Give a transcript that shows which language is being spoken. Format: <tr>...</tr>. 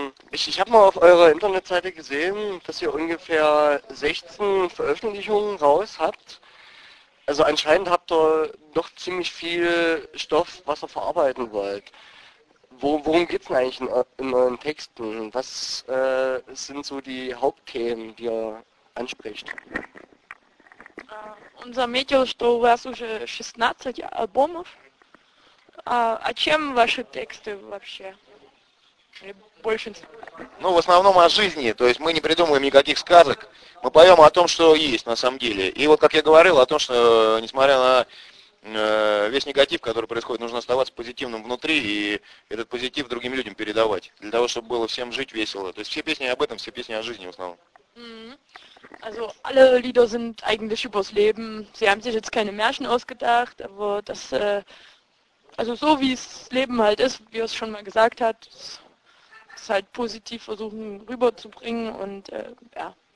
<de>Ich habe mal auf eurer Internetseite gesehen, dass ihr ungefähr 16 Veröffentlichungen raus habt. Also anscheinend habt ihr doch ziemlich viel Stoff, was ihr verarbeiten wollt. Worum geht es denn eigentlich in euren Texten? Was sind so die Hauptthemen, die ihr anspricht? Unser Medium,</de> <ru>что у вас уже 16 альбомов. А чем ваши тексты вообще? Большинство. Ну, в основном о жизни, то есть мы не придумываем никаких сказок, мы поем о том, что есть на самом деле. И вот, как я говорил, о том, что несмотря на весь негатив, который происходит, нужно оставаться позитивным внутри и этот позитив другим людям передавать, для того, чтобы было всем жить весело. То есть все песни об этом, все песни о жизни в основном.</ru> <de>Also, alle Lieder sind eigentlich übers Leben. Sie haben sich jetzt keine Märchen ausgedacht, aber das, also so wie es Leben halt ist, wie er es schon mal gesagt hat, es halt positiv versuchen rüberzubringen und ja.</de>